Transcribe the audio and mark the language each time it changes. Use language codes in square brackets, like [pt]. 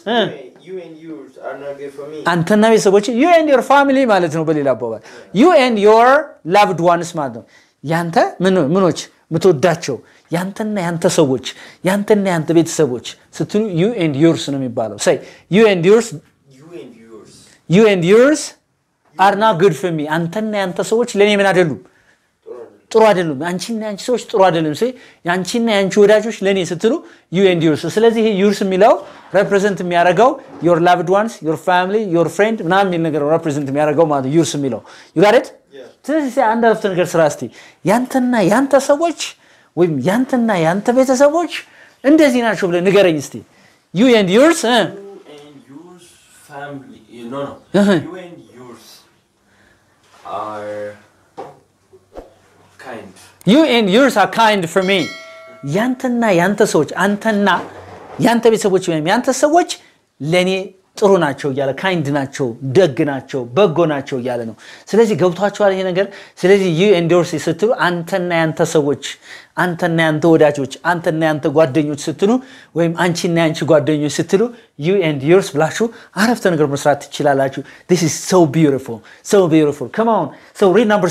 [en] you and yours are not good for me [am] አንተና ቤተሰቦች [en] you and your family [am] ማለት ነው በሌላ አባባል [en] you and your loved ones [am] ማለት ነው ያንተ ምኖች ምትወዳቸው ያንተና ያንተ ሰዎች ያንተና ያንተ ቤተሰቦች ስትሉ you and yours ነው የሚባለው [en] say you and yours you and yours you and yours are not good for me [am] አንተና ያንተ ሰዎች ለኔ ምን አይደሉም ጥሩ አይደሉም አንቺና አንቺ ሰዎች ጥሩ አይደሉም say ያንቺና ያንቺ ወዳጆች ለኔ ስትሉ you and yours ስለዚህ yours የሚለው [en] represent [am] የሚያደርገው [en] your loved ones your family your friend [am] ምናምን የሚል ነገር represent የሚያደርገው ማለት yours የሚለው [en] you got it [am] ስለዚህ say አንድ አፍተር ነገር ስራስቲ ያንተና ያንተ ሰዎች ወይም ያንተና ያንተ ቤተሰቦች እንደዚህ ናቸው ብለ ንገረኝ እስቲ you and yours [en] you and yours family no no you and yours are kind you and yours are kind for me [am] ያንተና ያንተ ሰዎች አንተና ያንተ ቤተሰቦች ወይም ያንተ ሰዎች ለኔ ጥሩ ናቸው ያለ kind ናቸው ደግ ናቸው በጎ ናቸው ያለ ነው ስለዚህ ገብቷቸዋል ይሄ ነገር ስለዚህ you and yours ስትሉ አንተና ያንተ ሰዎች አንተና ያንተ ወዳጆች አንተና ያንተ ጓደኞች ስትሉ ወይም አንቺና ያንቺ ጓደኞች ስትሉ you and yours ብላችሁ አረፍተ ነገር መስራት ትችላላችሁ [en] this is so beautiful so beautiful come on so read